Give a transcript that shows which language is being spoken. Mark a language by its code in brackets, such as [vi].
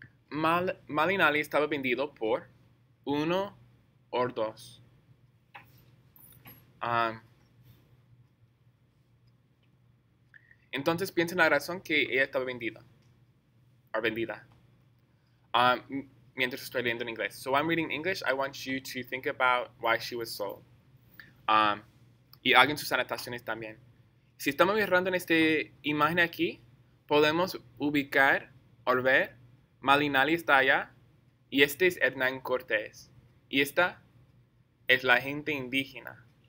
[es] Malinali estaba vendido por uno o dos. Um, Entonces piensa en la razón que ella estaba vendida. Or vendida. Mientras estoy leyendo en inglés. [en] So I'm reading English, I want you to think about why she was sold. [es] Y hagan sus anotaciones también. Si estamos mirando en esta imagen aquí, podemos ubicar o ver, Malinali está allá, y este es Hernán Cortés. Y esta es la gente indígena.